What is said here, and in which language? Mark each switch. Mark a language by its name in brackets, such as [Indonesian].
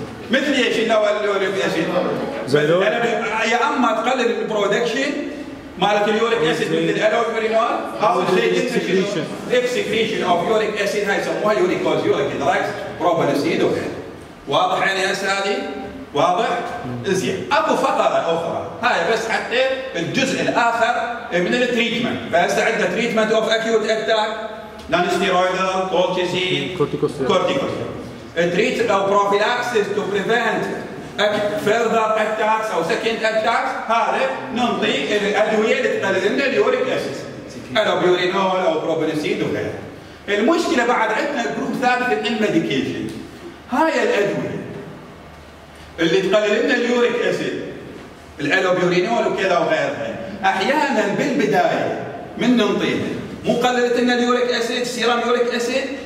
[Arabic] مثل ايش لو يوريك اسيد زين يا اما تقلل البرودكشن مالت اليوريك اسيد من الالوفيرينول او تزيد السكريشن اوف يوريك اسيد هاي سموها يوريك اسيد يوريك دراكس بروبلاسيد. واضح يعني هسه هذه واضح؟ زين، اكو فقرة أخرى، هاي بس حتى الجزء الآخر من التريتمنت، فهسه عندنا تريتمنت أوف أكيوت أتاك، [English] non-steroidal, colchicine, corticosteroids. Treat or prophylaxis to prevent further attacks or second attacks. [Arabic] هذا ننطيك الأدوية اللي تقللنا اليوريك أسيد. الأبيورينول أو بروبنسيد وغيره. المشكلة بعد عندنا جروب ثالث من الميديكيشن. هاي الأدوية اللي تقللنا اليوريك أسيد. الأبيورينول وكذا وغيرها. أحيانا بالبداية من ننطيها مو قللت لنا اليوريك أسيد سيرام يوريك أسيد.